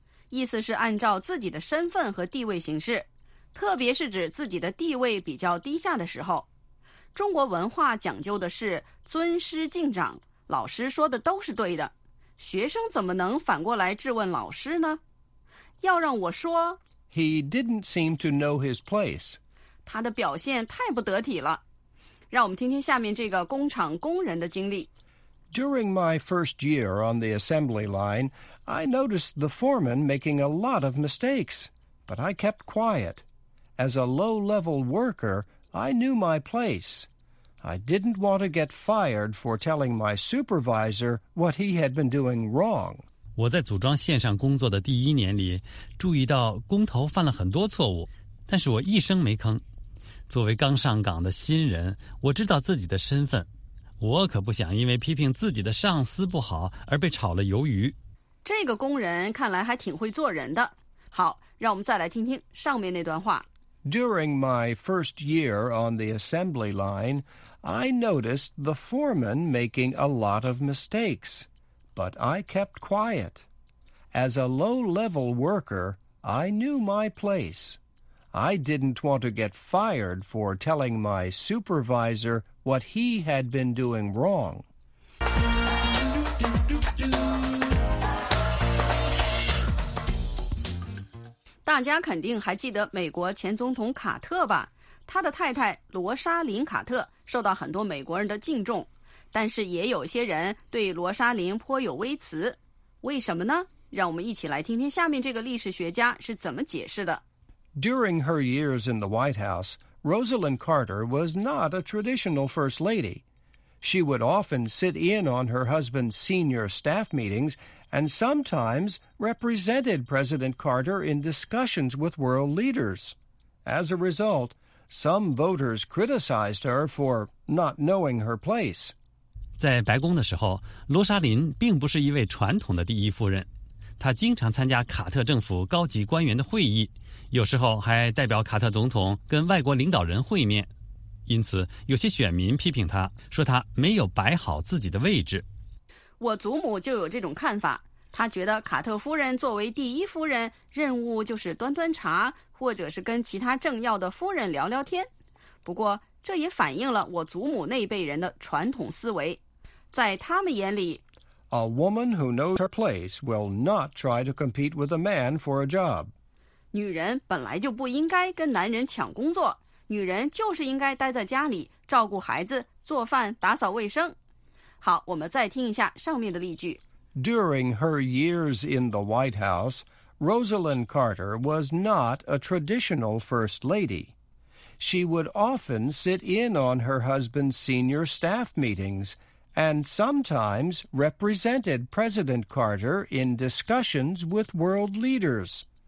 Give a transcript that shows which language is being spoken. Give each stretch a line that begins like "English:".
Chinese: 意思是按照自己的身份和地位行事，特别是指自己的地位比较低下的时候。中国文化讲究的是尊师敬长，老师说的都是对的，学生怎么能反过来质问老师呢？要让我说，
English: He didn't seem to know his place.
Chinese: 他的表现太不得体了。让我们听听下面这个工厂工人的经历。
English: During my first year on the assembly line, I noticed the foreman making a lot of mistakes, but I kept quiet. As a low-level worker, I knew my place. I didn't want to get fired for telling my supervisor what he had been doing wrong.
Chinese: 我在组装线上工作的第一年里，注意到工头犯了很多错误，但是我一声没吭。作为刚上岗的新人，我知道自己的身份，我可不想因为批评自己的上司不好而被炒了鱿鱼。这个工人看来还挺会做人的。好，让我们再来听听上面那段话。
English: During my first year on the assembly line, I noticed the foreman making a lot of mistakes, but I kept quiet. As a low-level worker, I knew my place. I didn't want to get fired for telling my supervisor what he had been doing wrong.
Chinese: 大家肯定还记得美国前总统卡特吧？他的太太罗莎琳·卡特受到很多美国人的敬重，但是也有些人对罗莎琳颇有微词。为什么呢？让我们一起来听听下面这个历史学家是怎么解释的。
English: During her years in the White House, Rosalynn Carter was not a traditional first lady. She would often sit in on her husband's senior staff meetings and sometimes represented President Carter in discussions with world leaders. As a result, some voters criticized her for not knowing her place.
Chinese: 在白宫的时候，罗莎琳并不是一位传统的第一夫人，她经常参加卡特政府高级官员的会议，有时候还代表卡特总统跟外国领导人会面，因此有些选民批评他，说他没有摆好自己的位置。我祖母就有这种看法，他觉得卡特夫人作为第一夫人，任务就是端端茶，或者是跟其他政要的夫人聊聊天。不过这也反映了我祖母那辈人的传统思维，在他们眼里，
English: A woman who knows her place will not try to compete with a man for a job.
Chinese: 女人本来就不应该跟男人抢工作，女人就是应该待在家里照顾孩子、做饭、打扫卫生。好，我们再听一下上面的例句。
English: During her years in the White House, Rosalynn Carter was not a traditional first lady. She would often sit in on her husband's senior staff meetings and sometimes represented President Carter in discussions with world leaders.